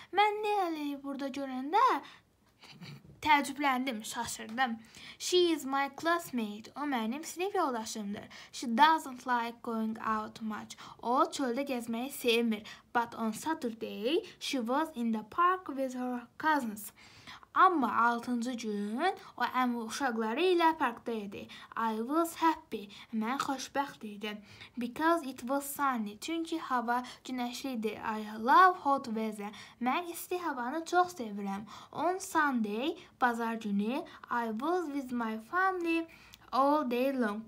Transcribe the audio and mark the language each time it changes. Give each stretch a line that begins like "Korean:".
Azerbaijani: Ben Nelly'yi burada görəndə təəccübləndim, şaşırdım.
English: She is my classmate.
Azerbaijani: O mənim sinif yoldaşımdır.
English: She doesn't like going out much.
Azerbaijani: O çöldə gezməyi sevmir.
English: But on Saturday she was in the park with her cousins.
Azerbaijani: Amma 6-cı gün o əm uşaqları ilə parkda idi.
English: I was happy.
Azerbaijani: Mən xoşbəxt idim.
English: Because it was sunny.
Azerbaijani: Çünki hava günəşli idi.
English: I love hot weather.
Azerbaijani: Mən isti havanı çox sevirəm.
English: On Sunday,
Azerbaijani: bazar günü,
English: I was with my family all day long.